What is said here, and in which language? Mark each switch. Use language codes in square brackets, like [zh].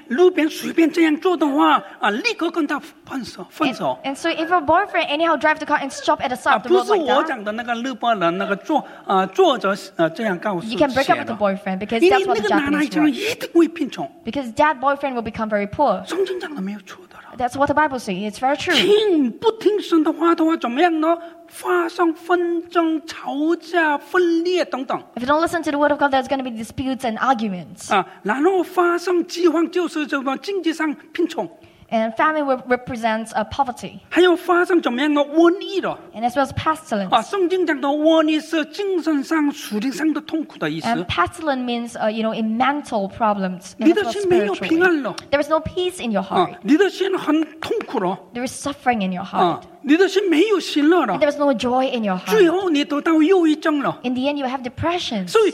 [zh] 所以如果你的男朋友在路边随便这样做的话, 啊, 立刻跟他分手。 [en] And so if your boyfriend anyhow drive the car and stop at the side of the road like that, [zh] 不是我讲的那个日本人那个作者这样告诉写的, [en] you can break up with the boyfriend because that's what the Japanese [zh] wrote,一定会贫穷。 [en] Because that boyfriend will become very poor. [zh] 圣经讲的没有错的了。 [en] That's what the Bible says, it's very true. [zh] 听不听神的话的话怎么样呢?发生纷争、吵架、分裂等等。 [en] If you don't listen to the word of God, there's going to be disputes and arguments. [zh] 啊, 然后发生饥荒就是什么经济上贫穷。 [en] And famine represents a poverty. [zh] 还有发生怎么样的, 瘟疫的。 [en] And as well as pestilence. [zh] 啊, 圣经讲的瘟疫是精神上、属灵上的痛苦的意思。 [en] And pestilence means you know, in mental problems. [zh] 你的心没有平安了。 [en] There is no peace in your heart. [zh] 啊, 你的心很痛苦了。 [en] There is suffering in your heart. [zh] 啊, 你的心没有喜乐了, [en] there's no joy in your heart. [zh] 最后你得到忧郁症了, [en] in the end, you have depression.